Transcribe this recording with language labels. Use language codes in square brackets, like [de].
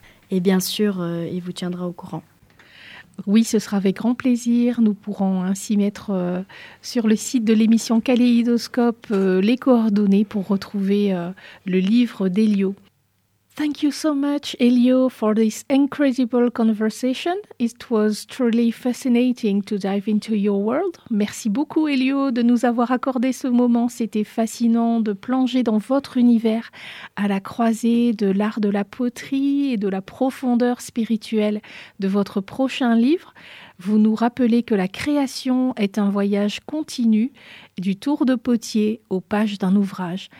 [fr] Et bien sûr, il vous tiendra au courant. Oui, ce sera avec grand plaisir. Nous pourrons ainsi mettre sur le site de l'émission Kaléidoscope les coordonnées pour retrouver le livre d'Elio. [en] Thank you so much, Elio, for this incredible conversation. It was truly fascinating to dive into your world. [fr] Merci beaucoup, Elio, de nous avoir accordé ce moment. C'était fascinant de plonger dans votre univers à la croisée de l'art de la poterie et de la profondeur spirituelle de votre prochain livre. Vous nous rappelez que la création est un voyage continu du tour de potier aux pages d'un ouvrage.